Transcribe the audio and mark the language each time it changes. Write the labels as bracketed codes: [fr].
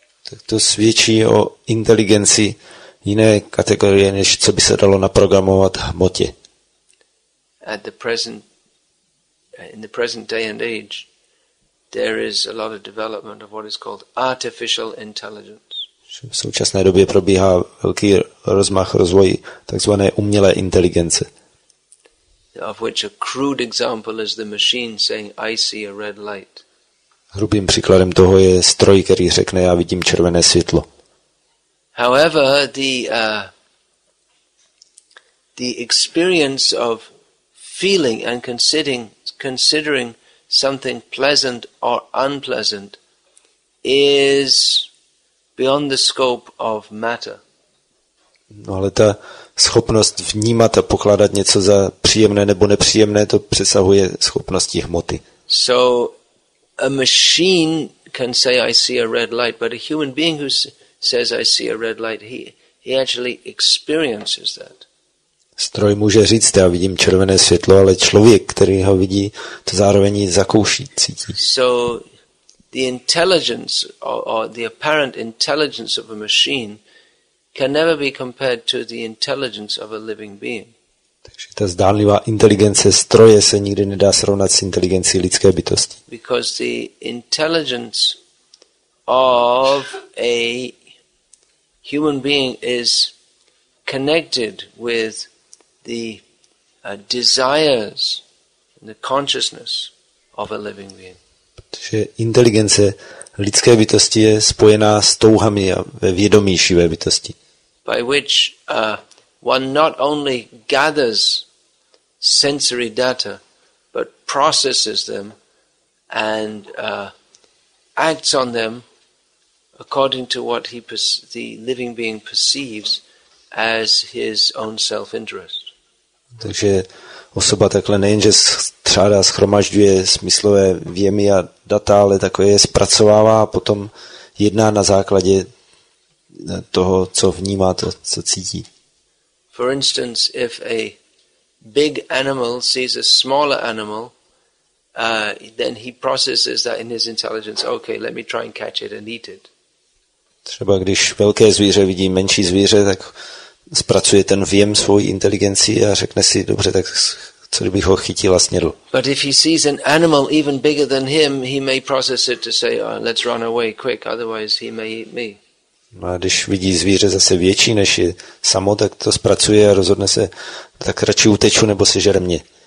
[cs] Tak to svědčí o inteligenci jiné kategorie, než co by se dalo naprogramovat hmotě. [en] In the present day and age, there is a lot of development of what is called artificial intelligence. [cs] V současné době probíhá velký rozmach rozvoji takzvané umělé inteligence. [en] Of which a crude example is the machine saying, "I see a red light." [cs] Hrubým příkladem toho je stroj, který řekne, já vidím červené světlo. [en] However, the experience of feeling and considering something pleasant or unpleasant is beyond the scope of matter. [cs] No, ale ta schopnost vnímat a pokládat něco za příjemné nebo nepříjemné, to přesahuje schopnosti hmoty. [en] So a machine can say I see a red light, but a human being who says I see a red light, he actually experiences that. [cs] Stroj může říct, já vidím červené světlo, ale člověk, který ho vidí, to zároveň zakouší, cítí. [en] So the intelligence or the apparent intelligence of a machine can never be compared to the intelligence of a living being. [cs] Takže ta zdánlivá inteligence stroje se nikdy nedá srovnat s inteligencí lidské bytosti. [en] Because the intelligence of a human being is connected with the desires and the consciousness of a living being. [cs] Protože inteligence lidské bytosti je spojená s touhami a ve vědomí živé bytosti. [en] By which one not only gathers sensory data, but processes them and acts on them according to what the living being perceives as his own self-interest. [cs] Takže osoba takhle nejenže střádá, schromažďuje smyslové věmy a data, ale takové je zpracovává a potom jedná na základě toho, co vnímá, to, co cítí. [en] For instance, if a big animal sees a smaller animal, then he processes that in his intelligence. Okay, let me try and catch it and eat it. [cs] Třeba když velké zvíře vidí menší zvíře, tak zpracuje ten vjem svou inteligenci a řekne si, dobře, tak co kdybych ho chytil a snědl. [en] But if he sees an animal even bigger than him, he may process it to say, oh, let's run away quick, otherwise he may eat me. [cs] No a když vidí zvíře zase větší než je samo, tak to zpracuje a rozhodne se, tak radši uteču nebo sežere mě.